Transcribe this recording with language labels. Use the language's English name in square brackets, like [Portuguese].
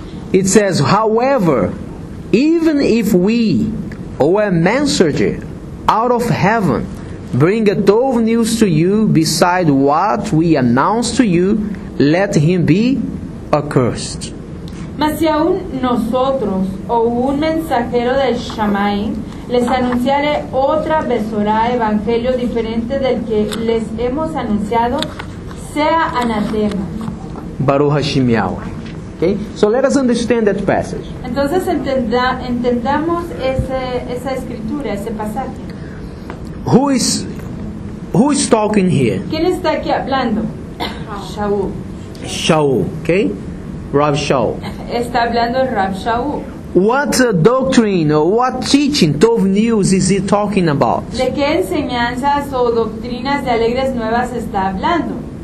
[English] It says, however, even if we, or a messenger out of heaven, bring a Tov news to you beside what we announce to you, let him be accursed. [Spanish] Mas si aún nosotros o un mensajero del Shamaim les anunciare otra besorá, evangelio diferente del que les hemos anunciado, sea anatema. [Hebrew] Baruch Hashem Yahweh. [English] Okay? So let us understand that passage. [Spanish] Entonces entendamos esa escritura, ese pasaje. [English] Who is talking here? [Spanish] ¿Quién está aquí hablando? Shaul. [English] Shaul, okay? Rav Shaul. [Spanish] Está hablando Rav Shaul. [English] What doctrine or what teaching, Tov News, is he talking about? [Spanish] ¿De qué enseñanzas o doctrinas de Alegres Nuevas está hablando?